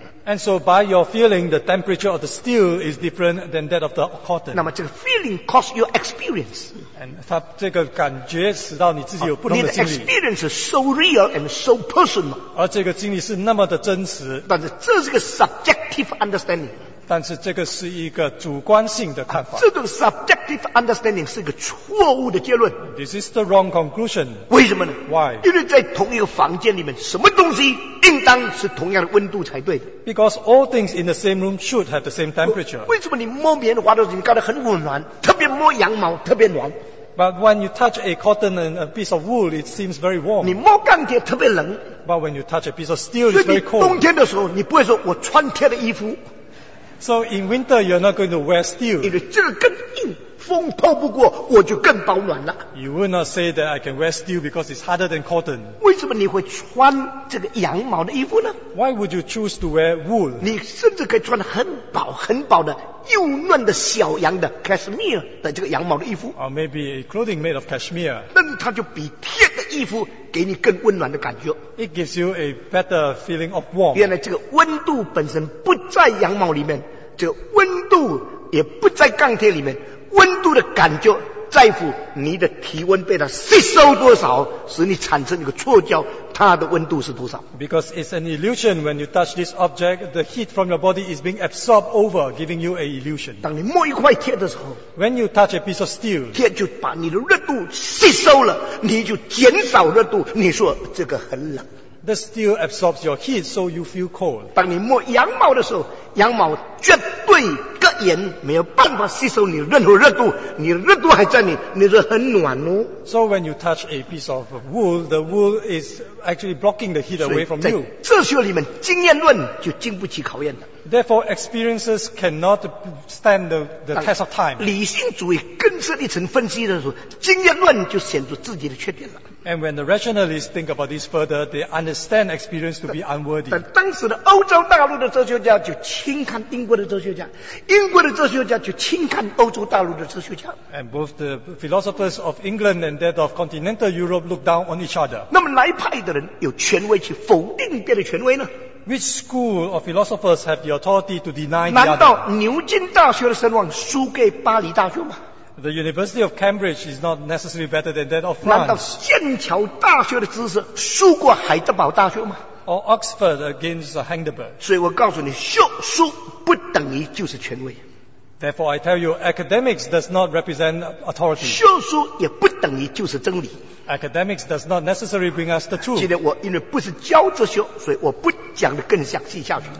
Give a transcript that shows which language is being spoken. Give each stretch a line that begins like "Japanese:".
English: And so by your feeling, the temperature of the steel is different than that of the cotton.
Chinese: 那么这个
English: feeling causes your experience.
Chinese: And 它这个感觉使到你自己有不同的经历。你的
English: experience is so real and so personal.
Chinese: 而这个经历是那么的真实。但是这是个
English: subjective understanding.
Chinese: 但是这个是一个主观性的看法。这种
English: subjective understanding
Chinese: 是个错误的结论。
English: This is the wrong conclusion.
Chinese: 为什么呢？
English: Why?
Chinese: 因为在同一个房间里面，什么东西应当是同样的温度才对的。
English: Because all things in the same room should have the same temperature.
Chinese: 为什么你摸棉花的时候你感到很温暖，特别摸羊毛特别暖？
English: But when you touch a cotton and a piece of wool, it seems very warm.
Chinese: 你摸钢铁特别冷。
English: But when you touch a piece of steel, it's very cold.
Chinese: 冬天的时候，你不会说我穿贴的衣服。
English: So in winter, you're not going to wear steel.
Chinese: 因为这个更硬，风透不过，我就更保暖了。
English: You will not say that I can wear steel because it's harder than cotton.
Chinese: 为什么你会穿这个羊毛的衣服呢？
English: Why would you choose to wear wool?
Chinese: 你甚至可以穿很薄很薄的幼嫩的小羊的 cashmere 的这个羊毛的衣服。
English: Or maybe a clothing made of cashmere.
Chinese: 但它就比贴的衣服给你更温暖的感觉。
English: It gives you a better feeling of warm.
Chinese: 原来这个温度本身不在羊毛里面，这个温度也不在钢铁里面，温度的感觉在乎你的体温被它吸收多少，使你产生一个错觉，它的温度是多少。
English: Because it's an illusion when you touch this object, the heat from your body is being absorbed over, giving you an illusion.
Chinese: 当你摸一块铁的时候
English: ，When you touch a piece of steel,
Chinese: 铁就把你的热度吸收了，你就减少热度，你说这个很冷。
English: The steel absorbs your heat, so you feel cold.
Chinese: 当你摸羊毛的时候，羊毛绝对隔眼没有办法吸收你任何热度，你热度还在你，你是很暖哦。
English: So when you touch a piece of wool, the wool is actually blocking the heat away from you.
Chinese: 哲学里面经验论就经不起考验了。
English: Therefore, experiences cannot stand the test of time.
Chinese: 理性主义更深一层分析的时候，经验论就显出自己的缺点了。
English: And when the rationalists think about this further, they understand experience to be unworthy.
Chinese: 但当时的欧洲大陆的哲学家就轻看英国的哲学家，英国的哲学家就轻看欧洲大陆的哲学家。
English: And both the philosophers of England and that of continental Europe looked down on each other.
Chinese: 那么哪一派的人有权威去否定别的权威呢？
English: Which school of philosophers have the authority to deny the other?
Chinese: 难道牛津大学的声望输给巴黎大学吗？
English: The University of Cambridge is not necessarily better than that of France.
Chinese: 难道剑桥大学的知识输过海德堡大学吗？
English: Or Oxford against Heidelberg.
Chinese: 所以我告诉你，学术不等于就是权威。
English: Therefore, I tell you, academics does not represent authority.
Chinese: 学术也不等于就是真理。
English: Academics does not necessarily bring us the truth.
Chinese: 今天我因为不是教哲学，所以我不讲得更详细下去。